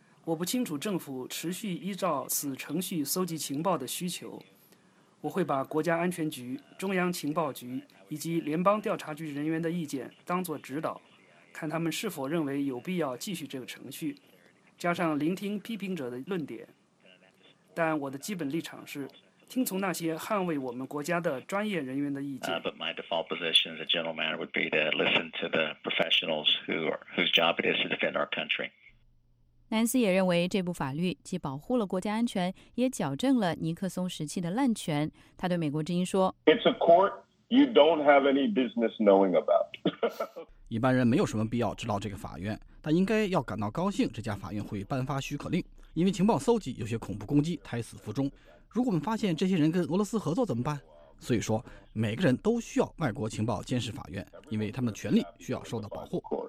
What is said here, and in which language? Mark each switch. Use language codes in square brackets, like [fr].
[zh] 我不清楚政府持续依照此程序搜集情报的需求，我会把国家安全局、中央情报局以及联邦调查局人员的意见当作指导，看他们是否认为有必要继续这个程序，加上聆听批评者的论点。但我的基本立场是听从那些捍卫我们国家的专业人员的意见。 [en] But my default position as a gentleman would be to listen to the professionals whose job it is to defend our country. [zh] 南斯也认为，这部法律既保护了国家安全，也矫正了尼克松时期的滥权。他对美国之音说， [en] It's a court you don't have any business knowing about. [zh] 一般人没有什么必要知道这个法院，但应该要感到高兴这家法院会颁发许可令，因为情报搜集有些恐怖攻击胎死腹中。如果我们发现这些人跟俄罗斯合作怎么办？所以说，每个人都需要外国情报监视法院，因为他们的权利需要受到保护。